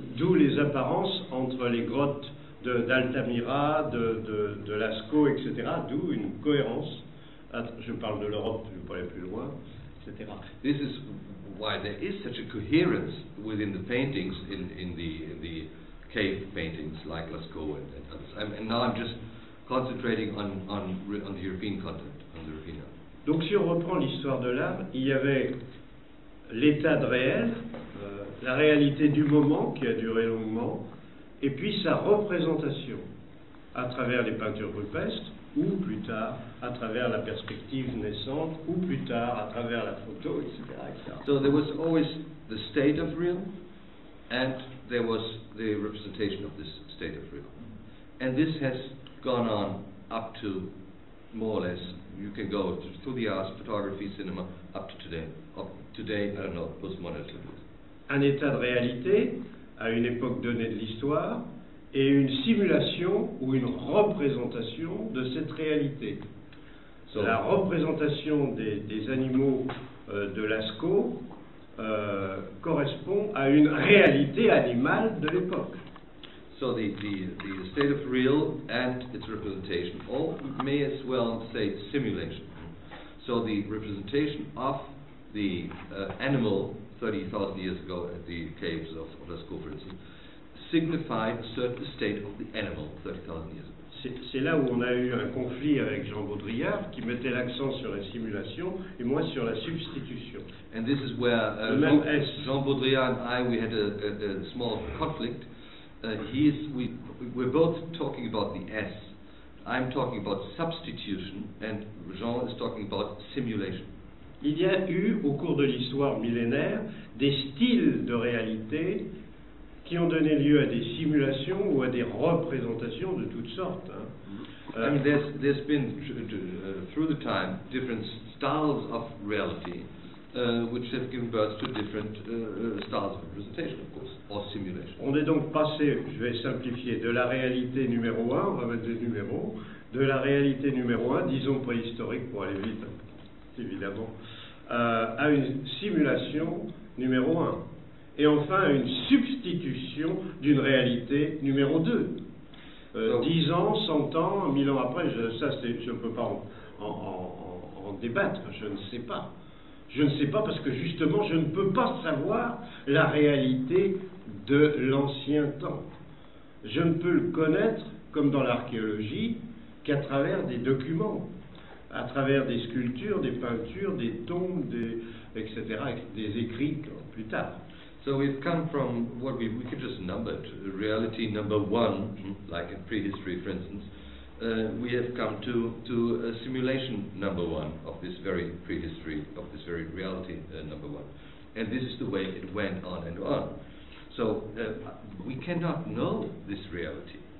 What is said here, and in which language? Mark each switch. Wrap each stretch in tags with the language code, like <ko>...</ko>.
<fr>D'où les apparences entre les grottes d'Altamira, de Lascaux, etc. D'où une cohérence. Je parle de l'Europe, je parle plus loin, etc.</fr> <en>This is why there is such a coherence within the paintings in the cave paintings like Lascaux and others. And now I'm just concentrating on the European content, on the European art.</en> <fr>Donc si on reprend l'histoire de l'art, il y avait l'état de réel, la réalité du moment qui a duré longuement, et puis sa représentation à travers les peintures rupestres, ou plus tard à travers la perspective naissante, ou plus tard à travers la photo, etc.</fr> <en>So there was always the state of real, and there was the representation of this state of real. And this has gone on up to more or less, you can go through the arts, photography, cinema, up to today. Today, I don't know, postmodernism.</en> <fr>Un état de réalité à une époque donnée de l'histoire et une simulation ou une représentation de cette réalité. So, la représentation des animaux de Lascaux correspond à une réalité animale de l'époque.</fr> <en>So the state of real and its representation, or may as well say simulation. So the representation of the animal 30,000 years ago at the caves of Lascaux, for instance, signified a certain state of the animal 30,000 years ago.</en> <fr>C'est là où on a eu un conflit avec Jean Baudrillard, qui mettait l'accent sur la simulation et moi sur la substitution.</fr> <en>And this is where Jean Baudrillard and I, we had a small conflict. We're both talking about the S. I'm talking about substitution and Jean is talking about simulation.</en> <fr>Il y a eu, au cours de l'histoire millénaire, des styles de réalité qui ont donné lieu à des simulations ou à des représentations de toutes sortes.</fr> <en>Hein. I mean, there's been, through the time, different styles of reality, which have given birth to different styles of representation, of course, or simulation.</en> <fr>On est donc passé, je vais simplifier, de la réalité numéro 1, on va mettre des numéros, de la réalité numéro 1, disons préhistorique pour aller vite, évidemment, à une simulation numéro 1 et enfin à une substitution d'une réalité numéro 2. 10 ans, 100 ans, 1000 ans après, je ne peux pas en débattre, je ne sais pas. Je ne sais pas parce que justement je ne peux pas savoir la réalité de l'ancien temps. Je ne peux le connaître, comme dans l'archéologie, qu'à travers des documents. À travers des sculptures, des peintures, des tombes, etc., des écrits plus tard.</fr> <en>So we've come from what we could just number it, reality number one, like in prehistory, for instance. We have come to a simulation number one of this very prehistory, of this very reality number one. And this is the way it went on and on. So we cannot know this reality.</en>